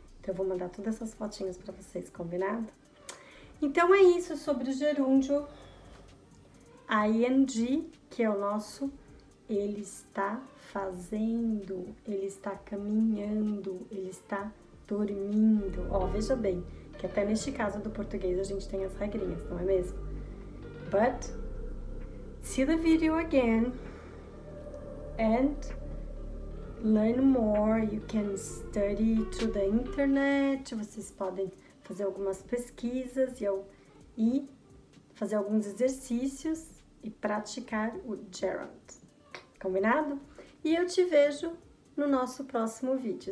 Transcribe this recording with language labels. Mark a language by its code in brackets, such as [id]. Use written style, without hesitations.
[pt] Então, eu vou mandar todas essas fotinhas para vocês, combinado? Então, é isso sobre o gerúndio. ING, que é o nosso, ele está fazendo, ele está caminhando, ele está dormindo. Ó, veja bem, que até neste caso do português a gente tem as regrinhas, não é mesmo? [en] But, see the video again and learn more. You can study to the internet. [pt] Vocês podem fazer algumas pesquisas e fazer alguns exercícios e praticar o gerund. Combinado? E eu te vejo no nosso próximo vídeo.